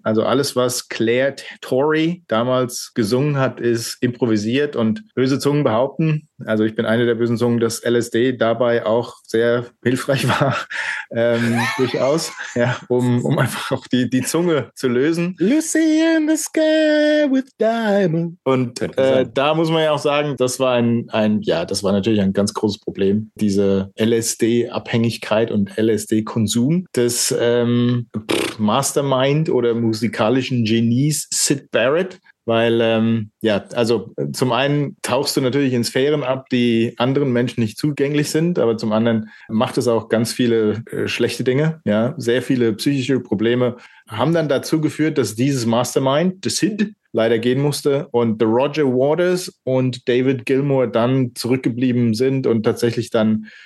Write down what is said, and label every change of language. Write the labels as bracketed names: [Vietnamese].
[German] Also alles, was Claire Tory damals gesungen hat, ist improvisiert und böse Zungen behaupten. Also ich bin eine der bösen Zungen, dass LSD dabei auch sehr hilfreich war, durchaus, ja, um einfach auch die Zunge zu lösen. [English] Lucy in the sky with diamonds. [German] Und da muss man ja auch sagen, das war das war natürlich ein ganz großes Problem, diese LSD-Abhängigkeit und LSD-Konsum des Mastermind oder musikalischen Genies Syd Barrett. Weil, zum einen tauchst du natürlich in Sphären ab, die anderen Menschen nicht zugänglich sind, aber zum anderen macht es auch ganz viele schlechte Dinge, ja, sehr viele psychische Probleme haben dann dazu geführt, dass dieses Mastermind, The Sid, leider gehen musste und The Roger Waters und David Gilmour dann zurückgeblieben sind und tatsächlich dann